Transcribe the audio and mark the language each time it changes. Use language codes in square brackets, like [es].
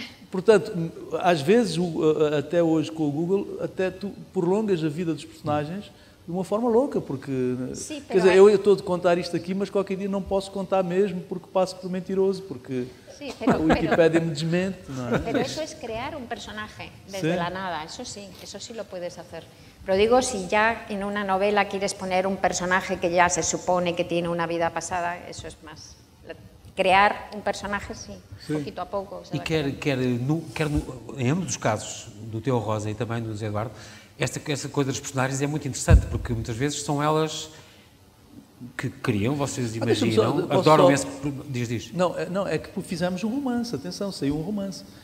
[pt] Portanto, às vezes, até hoje com o Google, até tu prolongas a vida dos personagens de uma forma louca, porque... Sim, quer dizer, eu estou de contar isto aqui, mas qualquer dia não posso contar mesmo, porque passo por mentiroso, porque a Wikipédia me desmente, não é? Mas isso é criar um personagem desde a nada, isso sim, isso sim [es] lo puedes hacer. Pero digo, si ya en una novela quieres poner un personaje que ya se supone que tiene una vida pasada, eso es más. Criar un personaje, sí, poquito a poco. [pt] E quer em ambos os casos, do Teo Rosa e também do Zé Eduardo, Essa coisa dos personagens é muito interessante, porque muitas vezes são elas que criam, vocês imaginam, adoram esse... Diz. Não, é que fizemos um romance, atenção, saiu um romance.